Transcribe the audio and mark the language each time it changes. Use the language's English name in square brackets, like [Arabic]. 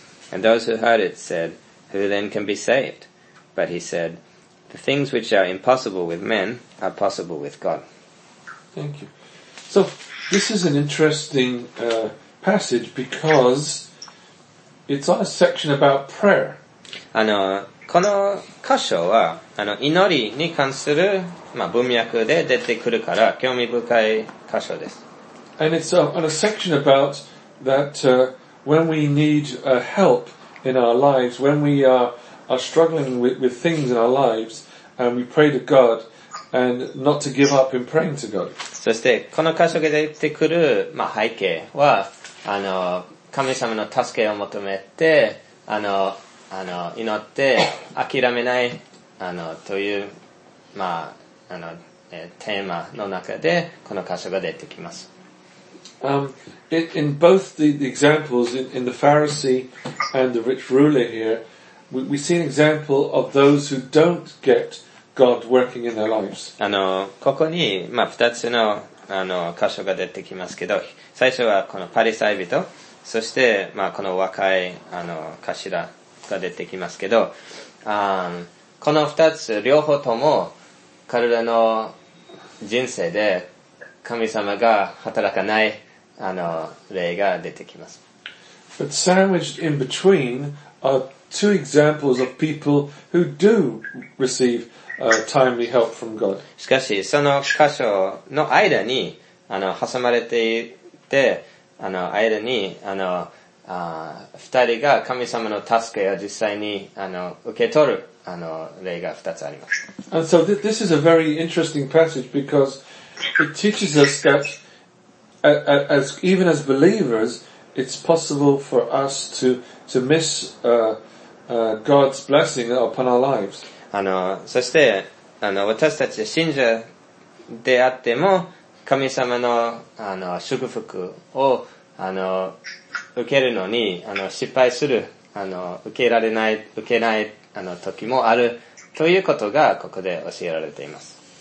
[English] And those who heard it said, Who then can be saved? But he said, The things which are impossible with men are possible with God. Thank you. So, this is an interesting passage because it's on a section about prayer. [Japanese] この箇所は祈りに関する、文脈で出てくるから興味深い箇所です。 [English] And it's on a section about that when we need help in our lives, when we are struggling with things in our lives, and we pray to God, and not to give up in praying to God. [Japanese] そしてこの箇所が出てくる、背景は神様の助けを求めて祈って諦めないという、テーマの中でこの箇所が出てきます。 [English] In both the examples, in the Pharisee and the rich ruler here, we see an example of those who don't get God working in their lives. [Japanese] ここに、二つの、箇所が出てきますけど、最初はこのパリサイ人、そして、この若い、頭が出てきますけど、この二つ、両方とも、彼らの人生で、神様が働かない、例が出てきます。 [English] But sandwiched in between are two examples of people who do receive timely help from God. [Japanese] しかし、その箇所の間に、挟まれていて、間に、二人が神様の助けを実際に、受け取る、例が二つあります。 [English] And so this is a very interesting passage because it teaches us that As even as believers, it's possible for us to miss God's blessing upon our lives. [Japanese] そして、あの、私たち信者であっても、神様の、あの、祝福を、あの、受けるのに、あの、失敗する、あの、受けられない、受けない、あの、時もある、ということが、ここで教えられています。